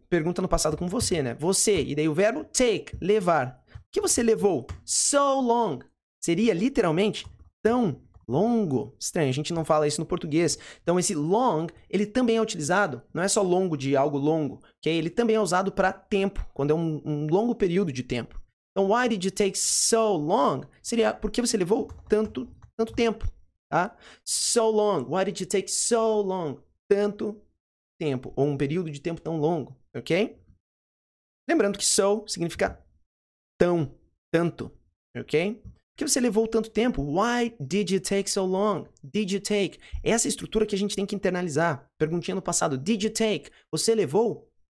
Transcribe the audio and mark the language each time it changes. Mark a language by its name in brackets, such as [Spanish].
[Portuguese] Pergunta no passado com você, né? Você. E daí o verbo take, levar. Por que você levou [English] so long? [Portuguese] Seria literalmente tão longo. Estranho, a gente não fala isso no português. Então, esse long, ele também é utilizado, não é só longo de algo longo, ok? Ele também é usado para tempo, quando é um longo período de tempo. Então, [English] why did you take so long? [Portuguese] Seria, por que você levou tanto tempo, tá? [English] So long, why did you take so long? [Portuguese] Tanto tempo, ou um período de tempo tão longo, ok? Lembrando que so significa tão, tanto, ok? Por que você levou tanto tempo? [English] Why did you take so long? Did you take? [Portuguese] Essa estrutura que a gente tem que internalizar. Perguntinha no passado. [English] Did you take? [Portuguese] Você levou?